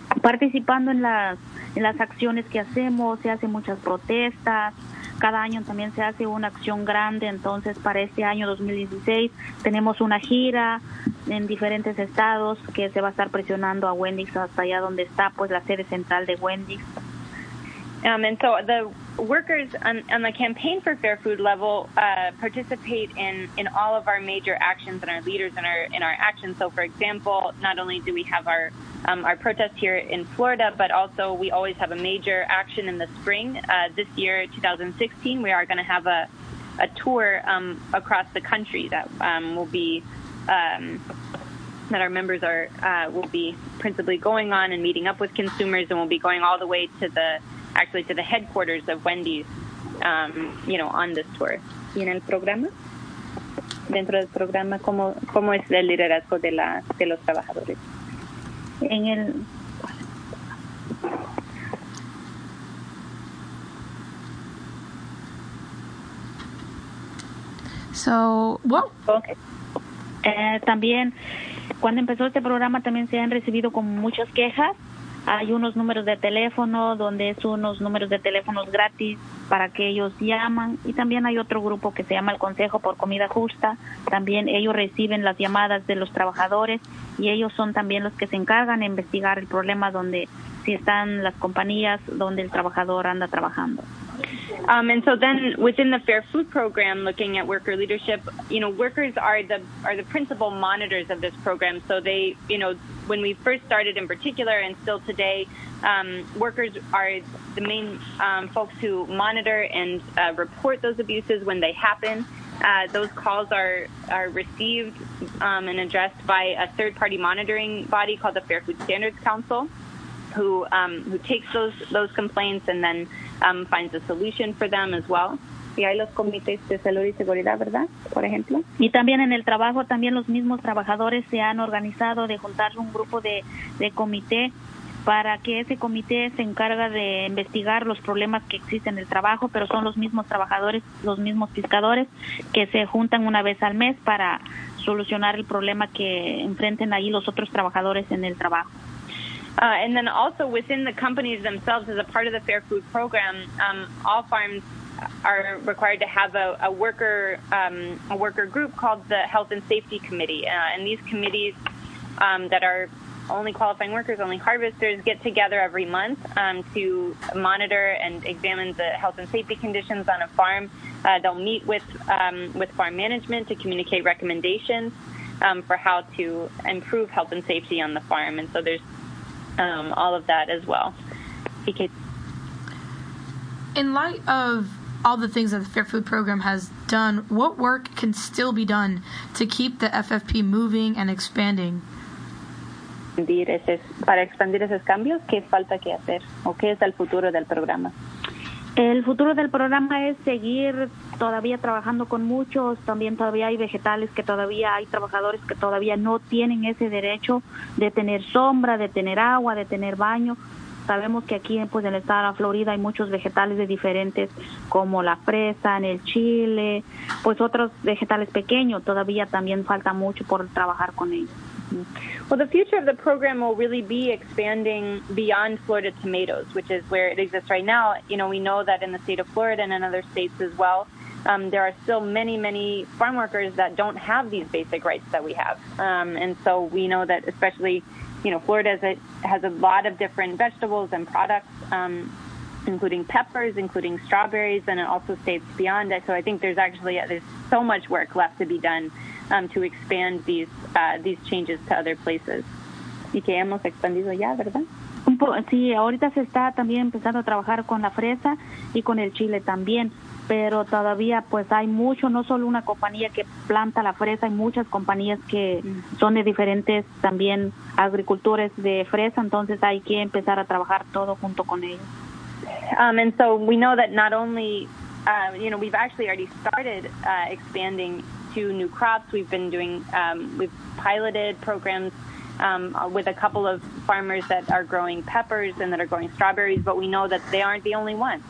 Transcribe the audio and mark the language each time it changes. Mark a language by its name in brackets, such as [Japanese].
[Spanish] Participando en las acciones que hacemos, se hacen muchas protestas, cada año también se hace una acción grande, entonces para este año 2016 tenemos una gira en diferentes estados que se va a estar presionando a Wendy's hasta allá donde está pues la sede central de Wendy's. [English] And so the workers on the Campaign for Fair Food level participate in all of our major actions and our leaders in our actions. So, for example, not only do we have our protest here in Florida, but also we always have a major action in the spring. This year, 2016, we are going to have a tour across the country that will be that our members are will be principally going on and meeting up with consumers, and we'll be going all the way to the actually to the headquarters of Wendy's, you know, on this tour. [Spanish] ¿Y en el programa? Dentro del programa, ¿cómo es el liderazgo de la de los trabajadores? En el [English] So, what? Okay. [Spanish] También, cuando empezó este programa, también se han recibido con muchas quejas. Hay unos números de teléfono donde son unos números de teléfonos gratis para que ellos llaman. Y también hay otro grupo que se llama el Consejo por Comida Justa. También ellos reciben las llamadas de los trabajadores y ellos son también los que se encargan de investigar el problema donde si están las compañías donde el trabajador anda trabajando. [English] And so then within the Fair Food Program, looking at worker leadership, you know, workers are the principal monitors of this program. So they, you know, when we first started in particular and still today, workers are the main folks who monitor and report those abuses when they happen. Those calls are received and addressed by a third-party monitoring body called the Fair Food Standards Council, who takes those complaints and then finds a solution for them as well. [Spanish] Y hay los comités de salud y seguridad, ¿verdad? Por ejemplo. Y también en el trabajo, también los mismos trabajadores se han organizado de juntar un grupo de comité para que ese comité se encarga de investigar los problemas que existen en el trabajo, pero son los mismos trabajadores, los mismos fiscadores que se juntan una vez al mes para solucionar el problema que enfrenten ahí los otros trabajadores en el trabajo. [English] And then also within the companies themselves, as a part of the Fair Food Program, all farms are required to have a worker group called the Health and Safety Committee. And these committees that are only qualifying workers, only harvesters, get together every month to monitor and examine the health and safety conditions on a farm. They'll meet with farm management to communicate recommendations for how to improve health and safety on the farm. And so there's all of that as well. In light of all the things that the Fair Food Program has done, what work can still be done to keep the FFP moving and expanding? [Spanish] Para expandir esos cambios, ¿qué falta que hacer? ¿O qué es el futuro del programa? El futuro del programa es seguir todavía trabajando con muchos. También todavía hay vegetales que todavía hay trabajadores que todavía no tienen ese derecho de tener sombra, de tener agua, de tener baño. Sabemos que aquí pues, en el estado de la Florida hay muchos vegetales de diferentes como la fresa, en el chile, pues otros vegetales pequeños. Todavía también falta mucho por trabajar con ellos. [English] Well, the future of the program will really be expanding beyond Florida tomatoes, which is where it exists right now. You know, we know that in the state of Florida and in other states as well, there are still many, many farm workers that don't have these basic rights that we have. And so we know that especially, you know, Florida has a lot of different vegetables and products, including peppers, including strawberries, and it also states beyond it. So I think there's so much work left to be done to expand these changes to other places. [Spanish] Y que hemos expandido ya, ¿verdad? Sí, ahorita se está también empezando a trabajar con la fresa y con el chile también, pero todavía pues hay mucho, no solo una compañía que planta la fresa, hay muchas compañías que son de diferentes también agricultores de fresa, entonces hay que empezar a trabajar todo junto con ellos. [English] And so we know that not only, you know, we've actually already started expanding to new crops. We've been doing, we've piloted programs with a couple of farmers that are growing peppers and that are growing strawberries, but we know that they aren't the only ones.